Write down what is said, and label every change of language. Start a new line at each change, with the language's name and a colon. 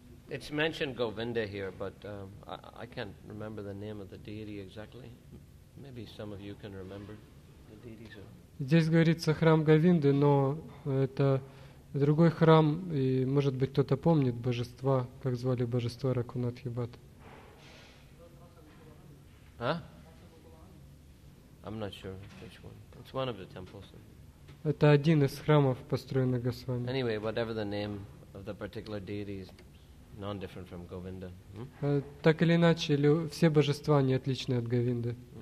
English: It's mentioned Govinda here, but I can't remember the name of the deity exactly. Maybe some of you can remember the deities.
Russian: Здесь говорится храм Говинды, но это другой храм, и может быть кто-то помнит божества, как звали божество Рагхунатха Бхатта.
English: I'm not sure which one. It's one of the temples.
Russian: Это один из храмов, построенных Госвами.
English: Anyway, whatever the name of the particular deity is, non-different from Govinda.
Russian: Так или иначе, все божества не отличны от Говинды.